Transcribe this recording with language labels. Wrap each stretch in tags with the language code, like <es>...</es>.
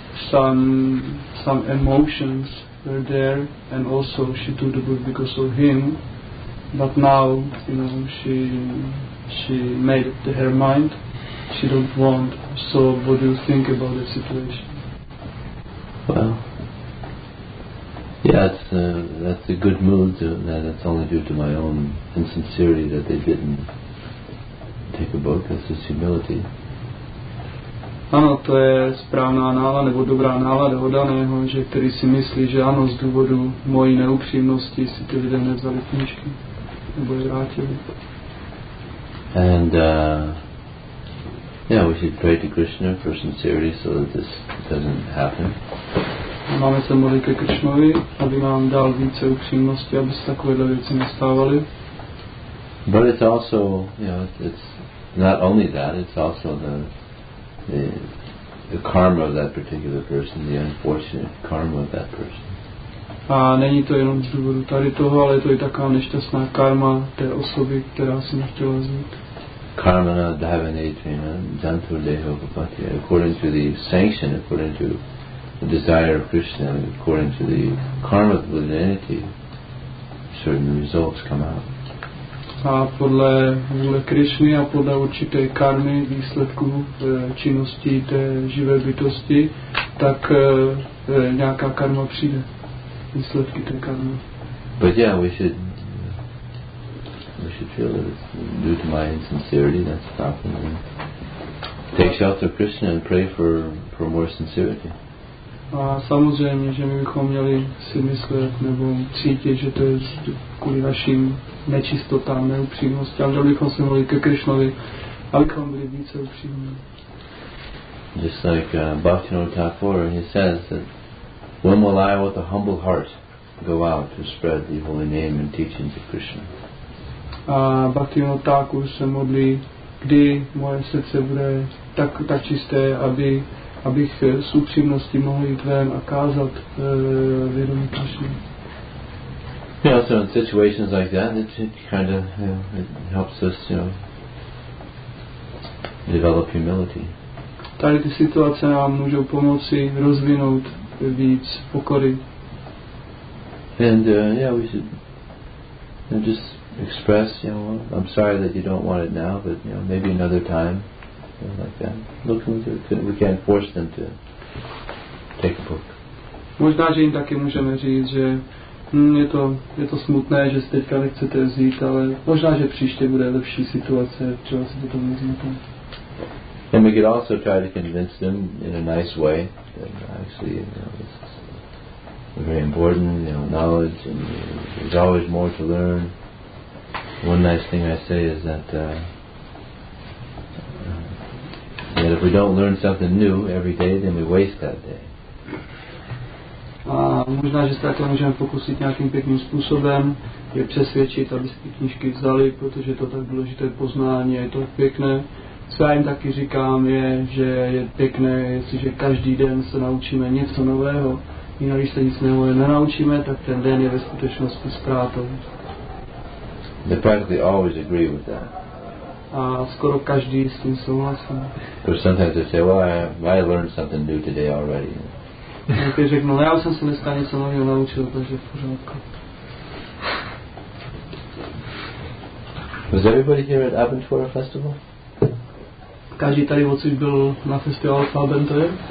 <en>some emotions were there, and also she took the book because of him, but now, you know, she made up her mind. She don't want. So what do you think about the situation? Well, yeah, that's a good mood. That's only due to my own insincerity that they didn't take a book. That's just humility.</en> <cs>Ano, to je správná nálada, nebo dobrá nálada odaného, že který si myslí, že ano, z důvodu mojí neupřímnosti si ty lidé nevzali knížky, nebo je vrátili.</cs> <en>And, yeah, we should pray to Krishna for sincerity so that this doesn't happen.</en> <cs>Máme se modlit ke Krišnovi, aby nám dal více upřímnosti, aby se takovéhle věci nestávaly.</cs> <en>But it's also, you know, it's not only that, it's also the karma of that particular person, the unfortunate karma of that person.</en> <cs>A není to jenom z důvodu tady toho, ale je to i taková nešťastná karma té osoby, která si nechtěla vzít.</cs> <sa>Karma na dhavane trina jantu leho kapati,</sa> <en>according to the sanction, according to the desire of Krishna, according to the karma of the divinity, certain results come out.</en> <cs>A podle vůle Krišny a podle určité karmy výsledku činnosti té živé bytosti tak nějaká karma přijde. Výsledky té karmy.</cs> <en>But yeah, we should feel that it's due to my insincerity that's happening. Take shelter Krishna and pray for more sincerity.</en> <cs>A samozřejmě, že my bychom měli si myslet nebo cítit, že to je kvůli našim nečistotám, neupřímnosti, ale bychom se mohli ke Krishnovi, abychom byli více upřímní.</cs> <en>Just like Bhaktivinoda Thakura, he says that when will I with a humble heart go out to spread the holy name and teachings of Krishna?</en> <cs>A Bhaktivinoda Thakura se modlí, kdy moje srdce bude tak čisté, abych s upřímností mohl jít ven a kázat vědomí Krishna.</cs> <en>Yeah, so in situations like that, it kind of it helps us, you know, develop humility.</en> <cs>Tady ty situace nám můžou pomoci rozvinout víc pokory.</cs> <en>And we should just express, you know, I'm sorry that you don't want it now, but you know, maybe another time, you know, like that. We can't force them to take a book.</en> <cs>Možná, že jim taky můžeme říct, že je to smutné, že si teďka nechcete vzít, ale možná, že příště bude lepší situace, třeba si to vezmete.</cs> <en>And we could also try to convince them in a nice way that actually, you know, this is very important, you know, knowledge, and there's always more to learn. One nice thing I say is that if we don't learn something new every day, then we waste that day.</en> <cs>A možná, že se takhle můžeme pokusit nějakým pěkným způsobem je přesvědčit, aby si ty knížky vzali, protože to tak důležité poznání, je to pěkné. Co já jim taky říkám je, že je pěkné, jestliže každý den se naučíme něco nového, jinak když se nic nového nenaučíme, tak ten den je ve skutečnosti ztrátou.</cs> <en>They practically always agree with that.</en> <cs>A skoro každý s tím souhlasí.</cs> <en>Because sometimes they say, well, I learned something new today already.</en> <cs>Někdy řeknu, já jsem se dneska něco nového naučil, takže v pořádku.</cs> <en>Was everybody here at Abentura Festival?</en> <cs>Každý tady odsud byl na festivalu v Abenture?</cs>